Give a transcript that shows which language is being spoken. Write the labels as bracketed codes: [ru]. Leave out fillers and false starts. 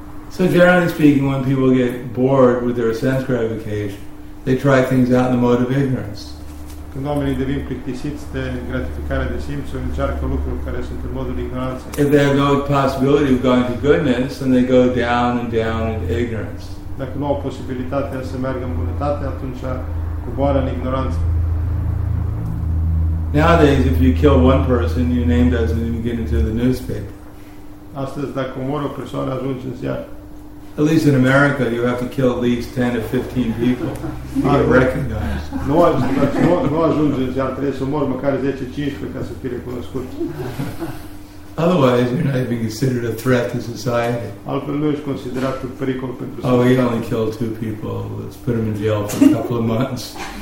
[en] So generally speaking, when people get bored with their sense gratification, they try things out in the mode of ignorance. If they have no possibility of going to goodness, then they go down and down into ignorance. [ro] Dacă nu au posibilitatea să meargă în bunătate, atunci coboară în ignoranță. [en] Nowadays, if you kill one person, your name doesn't even get into the newspaper. [ro] Astăzi, dacă omori o persoană, ajunge în ziar. [en] At least in America, you have to kill at least 10 to 15 people to get recognized. [ro] Nu ajunge în ziar, trebuie să omori măcar 10-15 ca să fie recunoscut. [en] Otherwise, you're not even considered a threat to society. Oh, he only killed 2 people. Let's put him in jail for a couple of months.